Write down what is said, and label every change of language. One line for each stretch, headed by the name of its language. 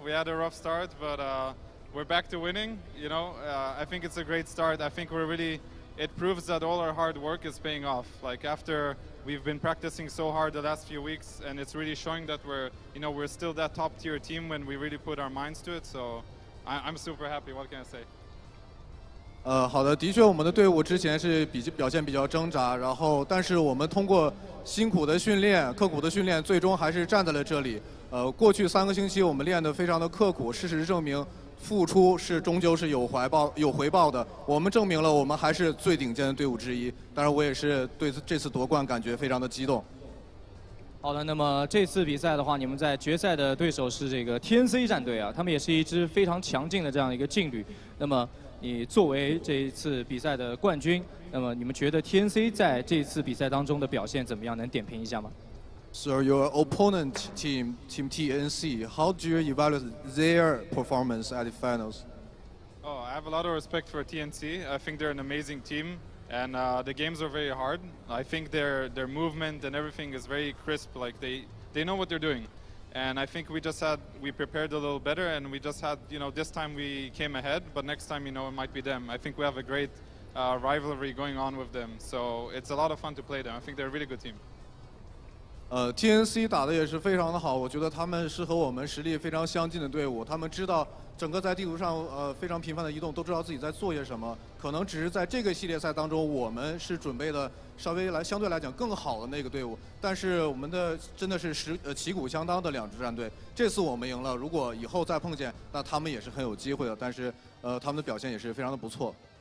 English: We had a rough start, but we're back to winning, you know. I think it's a great start. I think we're really, it proves that all our hard work is paying off. Like, after we've been practicing so hard the last few weeks, and it's really showing that we're, you know, we're still that top tier team when we really put our minds to it. So I'm super happy. What can I say?
Chinese: 好的，的确我们的队伍之前是表现比较挣扎，然后但是我们通过辛苦的训练，刻苦的训练，最终还是站在了这里。过去三个星期我们练得非常的刻苦，事实证明付出是终究是有回报的，我们证明了我们还是最顶尖的队伍之一。当然我也是对这次夺冠感觉非常的激动。好的，那么这次比赛的话，你们在决赛的对手是这个 TNC 战队啊，他们也是一支非常强劲的这样一个劲旅。那么你作为这一次比赛的冠军，那么你们觉得 TNC 在这一次比赛当中的表现怎么样？能点评一下吗
English: ？So your opponent team TNC, how do you evaluate their performance at the finals? Oh, I have a lot of respect for TNC. I think they're an amazing team, and the games are very hard. I think their movement and everything is very crisp. Like they know what they're doing, and I think we prepared a little better, and we just had, you know, this time we came ahead, but next time, you know, it might be them. I think we have a great rivalry going on with them, so it's a lot of fun to play them. I think they're a really good team.
Chinese: TNC 打得也是非常的好，我觉得他们是和我们实力非常相近的队伍，他们知道整个在地图上非常频繁的移动，都知道自己在做些什么，可能只是在这个系列赛当中我们是准备的稍微来相对来讲更好的那个队伍，但是我们的真的是旗鼓相当的两支战队，这次我们赢了，如果以后再碰见，那他们也是很有机会的，但是他们的表现也是非常的不错。